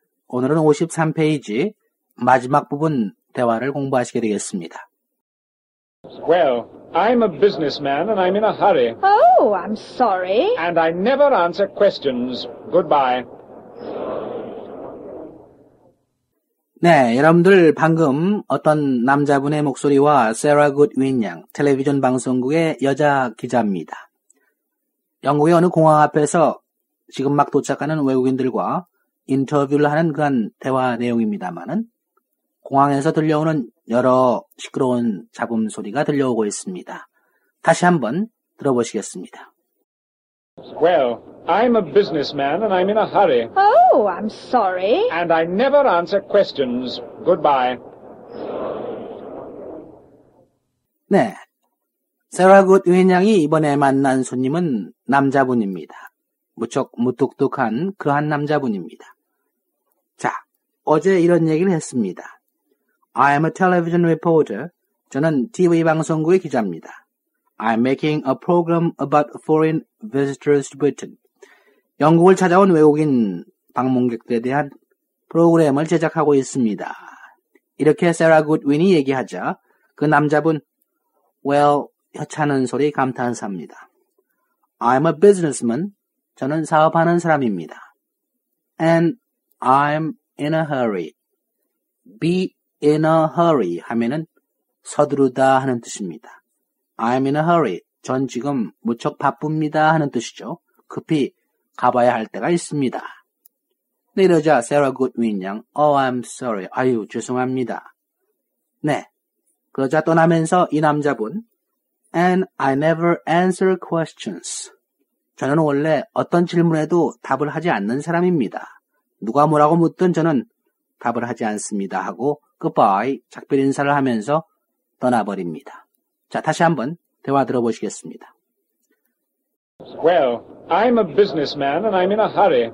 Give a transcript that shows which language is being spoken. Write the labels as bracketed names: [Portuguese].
[Korean] 오늘은 53페이지 마지막 부분 대화를 공부하시게 되겠습니다. [English] Well, I'm a businessman and I'm in a hurry. Oh, I'm sorry. And I never answer questions. Goodbye. [Korean] 네, 여러분들 방금 어떤 남자분의 목소리와 세라 굿윈 양, 텔레비전 방송국의 여자 기자입니다. 영국의 어느 공항 앞에서 지금 막 도착하는 외국인들과 인터뷰를 하는 그런 대화 내용입니다만은 공항에서 들려오는 여러 시끄러운 잡음 소리가 들려오고 있습니다. 다시 한번 들어보시겠습니다. [English] Well, I'm a businessman and I'm in a hurry. Oh, I'm sorry. And I never answer questions. Goodbye. [Korean] 네. 세라 굿윈 양이 이번에 만난 손님은 남자분입니다. 무척 무뚝뚝한 그러한 남자분입니다. 자, 어제 이런 얘기를 했습니다. [English] I am a television reporter. [Korean] 저는 TV 방송국의 기자입니다. [English] I am making a program about foreign visitors to Britain. [Korean] 영국을 찾아온 외국인 방문객들에 대한 프로그램을 제작하고 있습니다. 이렇게 세라 굿윈이 얘기하자 그 남자분, Well, 혀차는 소리 감탄사입니다. [English] I'm a businessman. [Korean] 저는 사업하는 사람입니다. [English] And I'm in a hurry. Be in a hurry [Korean] 하면은 서두르다 하는 뜻입니다. [English] I'm in a hurry. [Korean] 전 지금 무척 바쁩니다 하는 뜻이죠. 급히 가봐야 할 때가 있습니다. 네, 이러자 세라 굿윈 양, [English] Oh, I'm sorry. [Korean] 아유, 죄송합니다. 네, 그러자 떠나면서 이 남자분, [English] And I never answer questions. [Korean] 저는 원래 어떤 질문에도 답을 하지 않는 사람입니다. 누가 뭐라고 묻든 저는 답을 하지 않습니다 하고 goodbye, 작별 인사를 하면서 떠나버립니다. 자, 다시 한번 대화 들어보시겠습니다. [English] Well, I'm a businessman and I'm in a hurry.